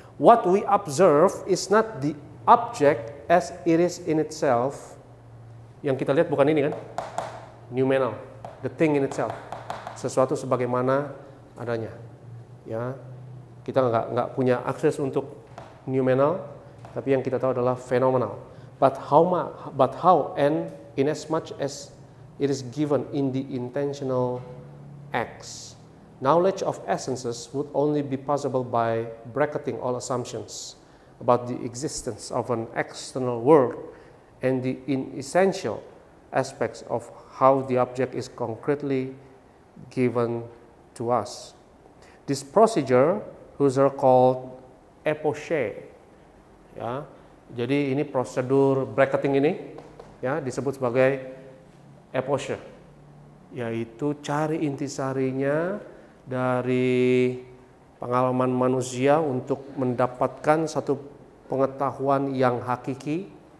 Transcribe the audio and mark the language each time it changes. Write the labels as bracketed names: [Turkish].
[English] What we observe is not the object as it is in itself. [Indonesian] Yang kita lihat bukan ini kan? Noumenal, [English] the thing in itself. [Indonesian] Sesuatu sebagaimana adanya. Ya. Kita enggak punya akses untuk noumenal, tapi yang kita tahu adalah fenomenal. [English] But how and in as much as it is given in the intentional acts. Knowledge of essences would only be possible by bracketing all assumptions about the existence of an external world and the inessential aspects of how the object is concretely given to us. This procedure Husserl called epoché. [Indonesian] Ya, jadi ini prosedur bracketing ini ya disebut sebagai epoché, yaitu cari intisarinya dari pengalaman manusia untuk mendapatkan satu pengetahuan yang hakiki.